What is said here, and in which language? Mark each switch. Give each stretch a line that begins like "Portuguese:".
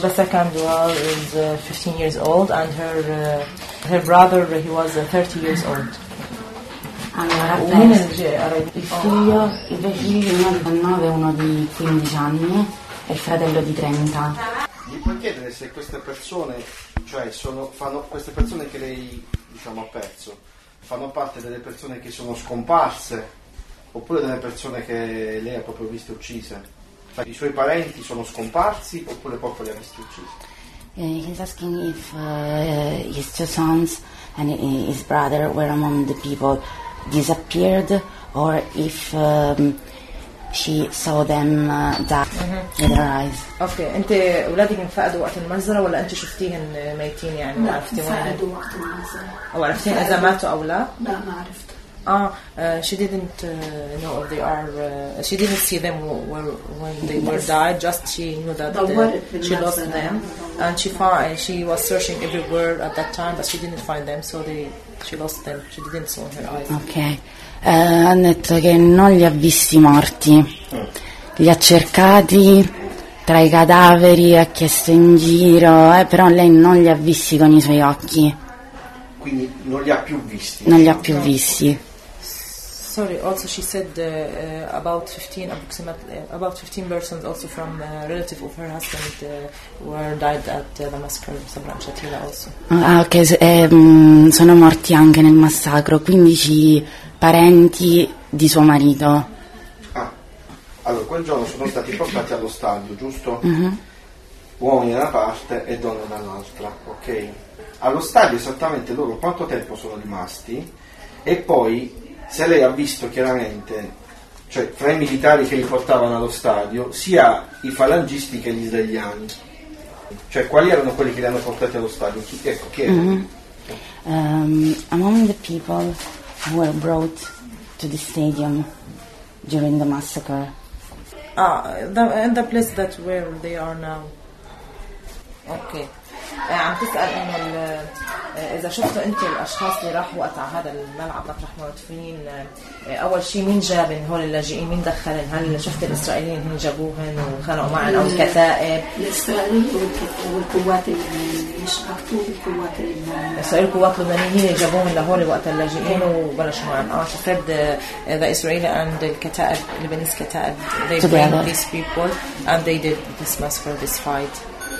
English: the second girl is 15 years old, and her her brother, he was 30 years old.
Italian: Allora, il figlio è nove, uno di 15 anni e il fratello di 30. Mi puoi chiedere se queste persone, cioè sono, fanno, queste persone che lei, diciamo, ha perso, fanno parte delle persone che sono scomparse oppure delle persone che lei ha proprio visto uccise? Cioè, i suoi parenti sono scomparsi oppure proprio li ha visti uccisi?
English: He's asking if his two sons and his brother were among the people disappeared, or if she saw them die with her eyes.
Arabic: Okay, أنت أولادك انفقدوا وقت المجزرة ولا أنت شفتيهن ميتين يعني ما عرفتي وين؟ انفقدوا وقت المجزرة. أو عرفتين إذا ماتوا أو لا؟ لا ما عرفت.
English: She didn't know if they are. She didn't see them when they were died. Just she knew that she lost them, and she was searching everywhere at that time, but she didn't find them. So she lost them. She didn't see her eyes. Okay.
Italian: Hanno detto che non li ha visti morti. Li ha cercati tra i cadaveri, ha chiesto in giro, però lei non li ha visti con i suoi occhi. Quindi non li ha più visti. Non li ha più visti.
English: Sorry, also she said about 15 persons also from relative of her husband were died at the massacre of Sabra Shatila also.
Italian: Ah, ok, sono morti anche nel massacro, 15 parenti di suo marito. Ah, allora quel giorno sono stati portati allo stadio, giusto? Mm-hmm. Uomini da una parte e donne dall'altra, ok? Allo stadio esattamente loro quanto tempo sono rimasti e poi... Se lei ha visto chiaramente, cioè fra i militari che li portavano allo stadio, sia i falangisti che gli israeliani, cioè quali erano quelli che li hanno portati allo stadio? Chi è? Mm-hmm.
English: Among the people who were brought to the stadium during the massacre. Ah, the place that where they are now. Ok.
Arabic: عم تسأل إنه إذا شفتوا أنت الأشخاص اللي راحوا وقت على هذا الملعب مطرح ما مدفونين أول شيء مين جاب إن هول اللاجئين مين دخلن؟ هل شفت الإسرائيليين هن جابوهن وخلقوا معهم أو الكتائب؟ الإسرائيليين والقوات اللبنانيين هن جابوهن لهول وقت اللاجئين وبلش معهم شفت
English: the Israeli and the كتائب Lebanese كتائب they bring these people and they did this mass for this fight.